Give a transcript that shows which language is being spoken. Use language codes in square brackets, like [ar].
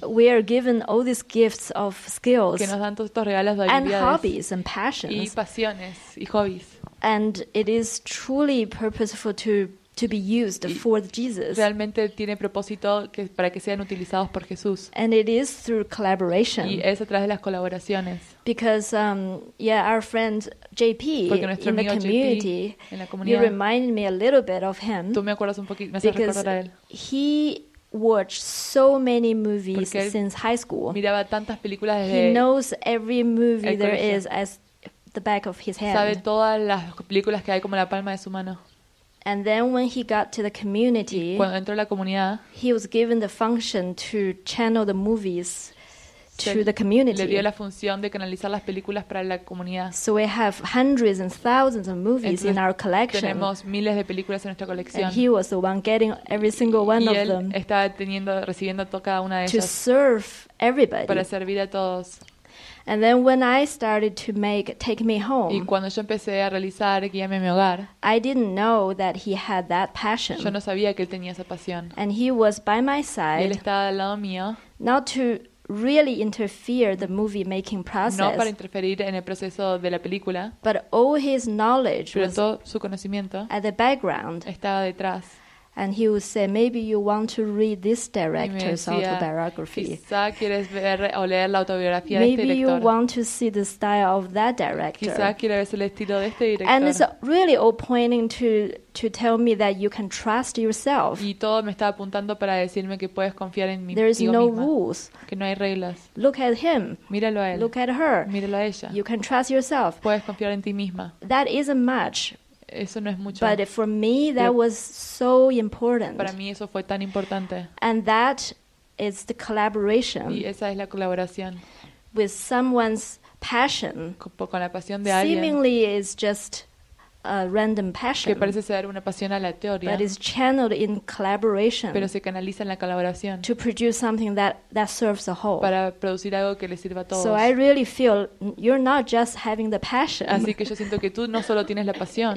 [en] we are given all these gifts of skills [es] que nos dan todos estos regalos de habilidades [en] and hobbies and passions [es] y pasiones y hobbies [en] and it is truly purposeful to be used y for Jesus. [es] Realmente tiene propósito que para que sean utilizados por Jesús. [en] And it is through collaboration. [es] Y es a través de las colaboraciones. [en] Because our friend JP in the community, [es] JP, en la comunidad, [en] you reminded me a little bit of him. [es] Tú me acuerdas un poquito, me hace recordar a él. [en] He watched so many movies since high school. [es] Miraba tantas películas desde. [en] He knows every movie there is as the back of his hand. [es] Sabe todas las películas que hay como la palma de su mano. [en] And then when he got to the community, [es] cuando entró a la comunidad, [en] he was given the function to channel the movies to the community. [es] Le dio la función de canalizar las películas para la comunidad. [en] So we have hundreds and thousands of movies. [es] Entonces, [en] in our collection. [es] Tenemos miles de películas en nuestra colección. [en] And he was the one getting every single one of them. [es] Y él estaba recibiendo cada una de ellas. [en] To serve everybody. [es] Para servir a todos. [en] And then when I started to make Take Me Home, [es] y cuando yo empecé a realizar Guíame a mi hogar, [en] I didn't know that he had that passion. [es] Yo no sabía que él tenía esa pasión. [en] And he was by my side. [es] Y él estaba al lado mío. [en] Not to really interfere the movie making process. [es] No para interferir en el proceso de la película. [en] But all his knowledge [es] pero todo su conocimiento [en] at the background. [es] Estaba detrás. [en] And he would say, maybe you want to read this director's autobiography. [es] Quizá quieres ver o leer la autobiografía [en] maybe [es] de este director. [en] Maybe you want to see the style of that director. [es] Quizá quieres ver el estilo de este director. [en] And it's really all pointing to tell me that you can trust yourself. [es] Y todo me está apuntando para decirme que puedes confiar en mí. [en] There is no [es] misma, [en] rules. [es] Que no hay reglas. [en] Look at him. [es] Míralo a él. [en] Look at her. [es] Míralo a ella. [en] You can trust yourself. [es] Puedes confiar en ti misma. [en] That isn't much. [es] Eso no es mucho. [en] But for me, that was so important. [es] Para mí eso fue tan importante. [en] And that is the collaboration. [es] Y esa es la colaboración. [en] With someone's passion. [es] Con la pasión de alguien. [en] Seemingly is just a random passion. [es] Que parece ser una pasión aleatoria. [en] But is channeled in collaboration. [es] Pero se canaliza en la colaboración. [en] To produce something that serves the whole. [es] Para producir algo que le sirva a todos. [en] So I really feel you're not just having the passion. [es] Así que yo siento que tú no solo tienes la pasión.